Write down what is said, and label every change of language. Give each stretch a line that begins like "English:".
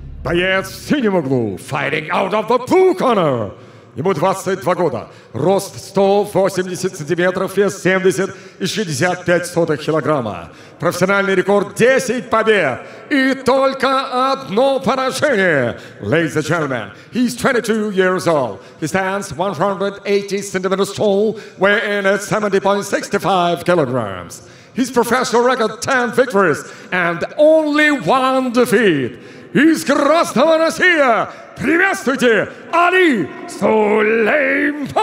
Russian: Боец в синем углу,
English: fighting out of the blue corner.
Russian: Ему 22 года, рост 180 сантиметров, вес 70 и 65 килограмма. Профессиональный рекорд 10 побед и только одно поражение.
English: Ladies and gentlemen, he's 22 years old. He stands 180 centimeters tall, weighing at 70.65 kilograms. His professional record 10 victories and only one defeat.
Russian: Из Красного Россия приветствуйте Али Сулейманов!